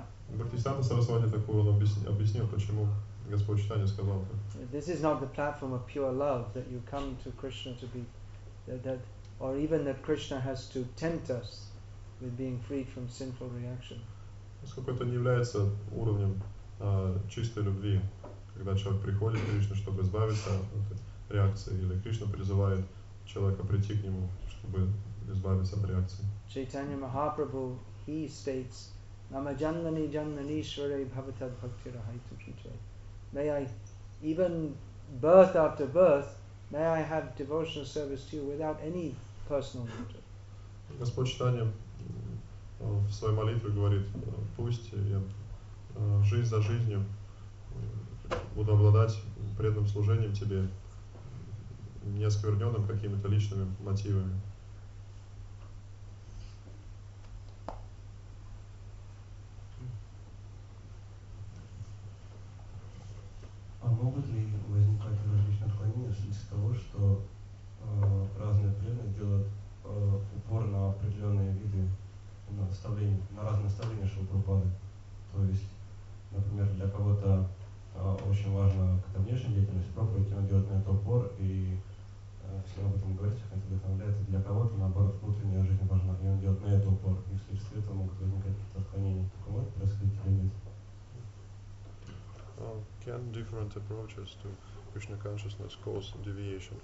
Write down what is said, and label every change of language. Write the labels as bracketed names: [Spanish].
[Russian] Бхактисиддханта Сарасвати Такур, он объяснил, почему Господь Читания сказал это. [English] This is not the platform of pure love, that you come to Krishna to be, that or even that Krishna has to tempt us with being freed from sinful reaction. [Russian] Поскольку это не является уровнем чистой любви, когда человек приходит к Кришне, чтобы избавиться от реакции, или Кришна призывает человека прийти к нему, чтобы избавиться от реакции. [Sanskrit] Чайтанья Махапрабху, [English] he states, [Sanskrit] Нама Джаннани Джаннани Шваре Бхаватад Бхактира Хайту Питре. [English] May I, even birth after birth, may I have devotional service to you without any personal motive. [Russian] Господь Чайтанья в своей молитве говорит, пусть я жизнь за жизнью буду обладать преданным служением тебе, не оскверненным какими-то личными мотивами. А могут ли возникать различные отклонения в связи с того, что разные преданные делают упор на определенные виды, на разные наставления Шилпрупады? То есть, например, для кого-то очень важно какая-то внешняя деятельность, проповедь, он делает на это упор и всем об этом говорит, всех это вдохновляет. Для кого-то, наоборот, внутренняя жизнь важна, и он делает на это упор. И в связи с этим могут возникать какие-то отклонения. Только может происходить или нет? [English] Can different approaches to Krishna consciousness cause deviation?